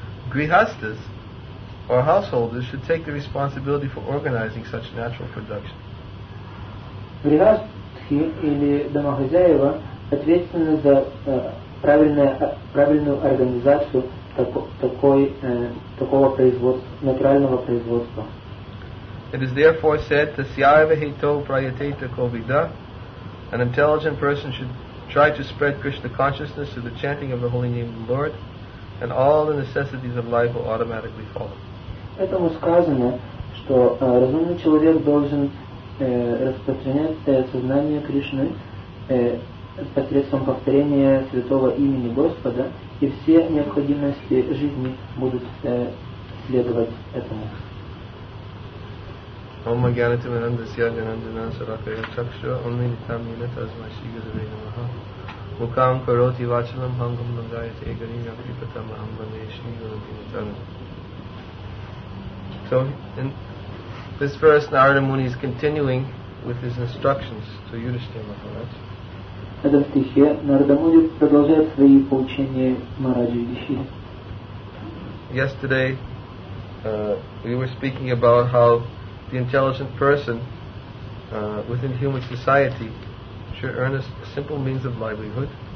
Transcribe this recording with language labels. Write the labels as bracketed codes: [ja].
[en] Грихастхас, or householders, should take the responsibility for organizing such natural production. [ru] Грихастхи или домохозяева ответственны за правильную организацию такого производства, натурального производства. [en] It is therefore said, [sa] Tasyaiva hito prayateta kovida, [en] an intelligent person should try to spread Krishna consciousness through the chanting of the holy name of the Lord, and all the necessities of life will automatically follow. [ru] Этому сказано, что разумный человек должен распространять сознание Кришны посредством повторения святого имени Господа, и все необходимости жизни будут следовать этому. Ом Агьянати Мананда Сьяджананда Насаракая Чакшва Ом Нитам Нинета Азма Шигадаве Намаха Мукам Кароти Вачалам Хангам Нагайте Эгарим Якрипатам Амбане Шигадаве Нитам. [en] So in this verse, Narada Muni is continuing with his instructions to Yudhishthira Maharaj. [ru] Это в стихе Нарада Муни продолжает свои поучения Махараджу Юдхиштхире. [en] Yesterday, we were speaking about how the intelligent person within human society should earn a simple means of livelihood.